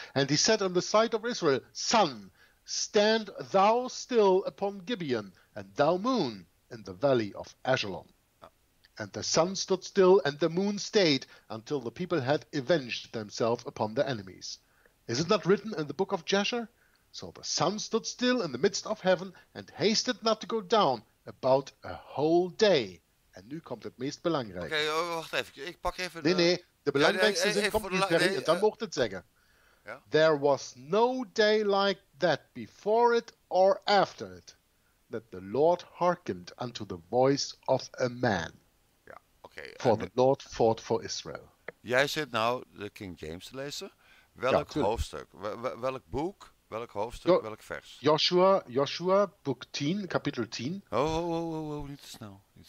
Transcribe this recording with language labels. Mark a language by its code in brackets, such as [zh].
[en] And he said on the sight of Israel, Sun, stand thou still upon Gibeon, and thou moon in the valley of Ajalon. And the sun stood still, and the moon stayed, until the people had avenged themselves upon their enemies. Is it not written in the book of Jasher? So the sun stood still in the midst of heaven and hasted not to go down about a whole day. [nl] En nu komt het meest belangrijke. Oké, wacht even. Ik pak even... De belangrijkste zin komt niet, Perry, en dan mocht het zeggen. Ja? [en] There was no day like that before it or after it that the Lord hearkened unto the voice of a man. [nl] Ja, oké. [en] Okay. For the Lord fought for Israel. [nl] Jij zit nou de King James te lezen. Welk hoofdstuk? Welk boek? Welk hoofdstuk, welk vers? Joshua, boek 10, kapitel 10. Oh, niet te snel.